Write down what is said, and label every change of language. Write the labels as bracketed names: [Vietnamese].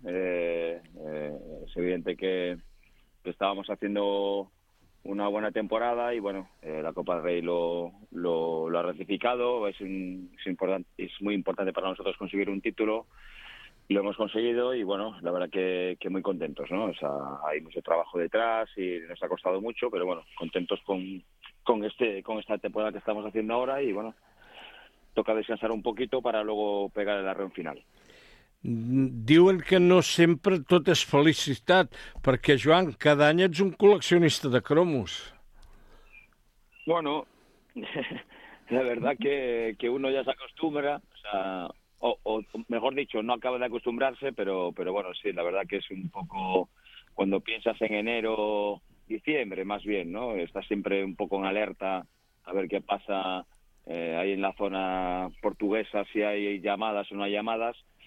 [Spanish] Es evidente que estábamos haciendo una buena temporada y bueno, la Copa del Rey lo ha ratificado, es muy importante para nosotros conseguir un título, lo hemos conseguido y bueno, la verdad que muy contentos, ¿no? O sea, hay mucho trabajo detrás y nos ha costado mucho, pero bueno, contentos con esta temporada que estamos haciendo ahora y bueno, toca descansar un poquito para luego pegar el arreón final. [Catalan] Diuen que no sempre tot és felicitat, perquè, Joan, cada any ets un col·leccionista de cromos. [Spanish] Bueno, la verdad que uno ya se acostumbra, o mejor dicho, no acaba de acostumbrarse, pero bueno, sí, la verdad que es un poco, cuando piensas en enero, diciembre, más bien, ¿no? Estás siempre un poco en alerta a ver qué pasa ahí en la zona portuguesa, si hay llamadas o no hay llamadas.